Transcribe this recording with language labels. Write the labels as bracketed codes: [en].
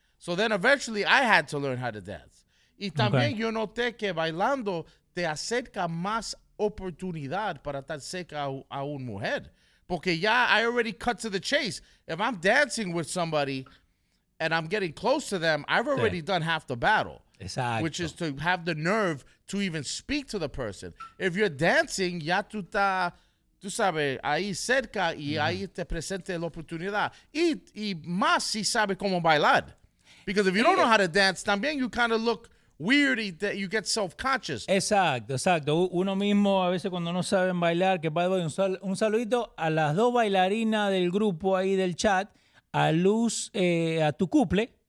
[en] So then eventually I had to learn how to dance. [es] Y también yo noté que bailando te acerca más oportunidad para estar cerca a una mujer. Porque ya [en] I already cut to the chase. If I'm dancing with somebody and I'm getting close to them, I've already done half the battle. [es] Exacto. [en] Which is to have the nerve to even speak to the person. If you're dancing, [es] ya tú estás, tú sabes, ahí cerca y ahí te presenta la oportunidad. Y más si sabes cómo bailar. [en] Because if you don't know how to dance, [es] también [en] you kind of look weird and you get self-conscious. [es] Exacto. Uno mismo, a veces cuando no saben bailar, que va a dar un saludito a las dos bailarinas del grupo ahí del chat, a Luz, a tu couple.